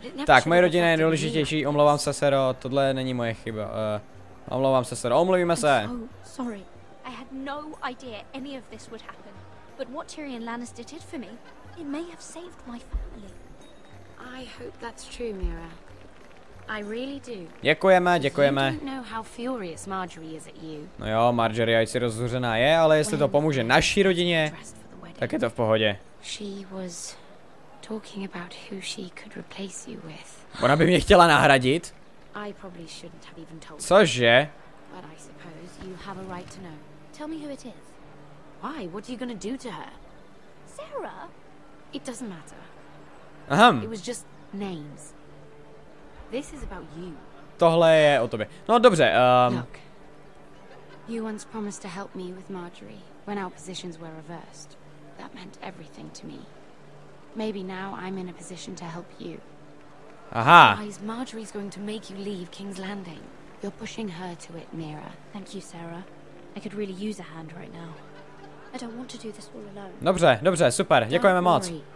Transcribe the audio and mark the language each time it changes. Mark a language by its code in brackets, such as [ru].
[cs] Tak, moje rodina je nejdůležitější, omlouvám se, sero, tohle není moje chyba. Omlouvám se, sero, omluvíme se. [en] Sorry. I had no idea any of this would happen. But what Tyrion Lannister did for me. It may have saved my family. I hope that's true, Mira. I really do. [cs] Děkujeme, děkujeme. [en] You don't know how furious Marjorie is at you. [cs] No jo, Marjorie ať si rozhořená je, ale jestli to pomůže naší rodině, tak je to v pohodě. [en] She was talking about who she could replace you with. [cs] Ona by mě chtěla nahradit? [en] I probably shouldn't have even told. [cs] Cože? [en] But I suppose you have a right to know. Tell me who it is. Why? What are you gonna do to her? Sarah? It doesn't matter. It was just names. This is about you. [cs] Tohle je o tobě. No dobře. [en] Look, you once promised to help me with Marjorie when our positions were reversed. That meant everything to me. Maybe now I'm in a position to help you. [cs] Aha. [en] Otherwise, Marjorie's going to make you leave King's Landing. You're pushing her to it, Mira. Thank you, Sarah. I could really use a hand right now. I don't want to do this all alone. [cs] Dobře, dobře, super, děkujeme moc.